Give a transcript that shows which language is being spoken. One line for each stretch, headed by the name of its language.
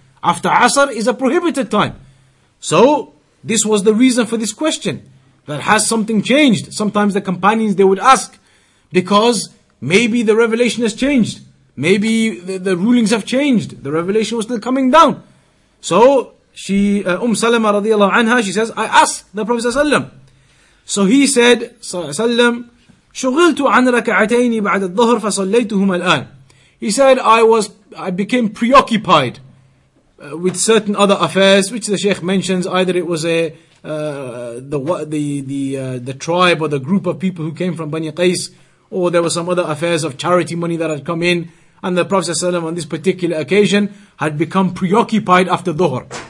English: After Asr is a prohibited time. So, this was the reason for this question. That has something changed. Sometimes the companions, they would ask. Because maybe the revelation has changed. Maybe the rulings have changed. The revelation was still coming down. So, Salama radiallahu anha, she says, I asked the Prophet sallallahu alayhi wa sallam. So he said, sallam,
Arabic: شغلت عن ركعتين بعد الظهر فصليتهما الآن.
English: He said, I became preoccupied with certain other affairs, which the Sheikh mentions, either it was the tribe or the group of people who came from Bani Qais, or there were some other affairs of charity money that had come in, and the Prophet ﷺ on this particular occasion had become preoccupied after Dhuhr.